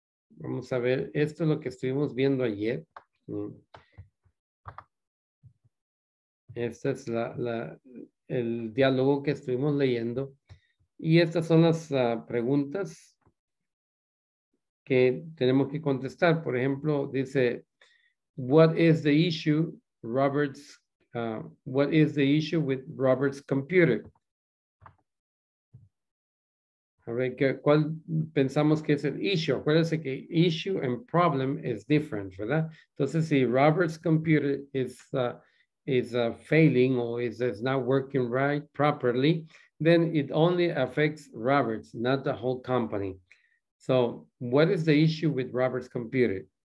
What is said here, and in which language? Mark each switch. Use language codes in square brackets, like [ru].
[es] Vamos a ver, esto es lo que estuvimos viendo ayer. Este es el diálogo que estuvimos leyendo. Y estas son las preguntas que tenemos que contestar. Por ejemplo, dice, [en] what is the issue Robert's, what is the issue with Robert's computer? [es] A ver, ¿cuál pensamos que es el issue? Acuérdense que [en] issue and problem is different, ¿verdad? Entonces, si Robert's computer is failing or is not working right properly, then it only affects Robert's, not the whole company. So, what is the issue with Robert's computer?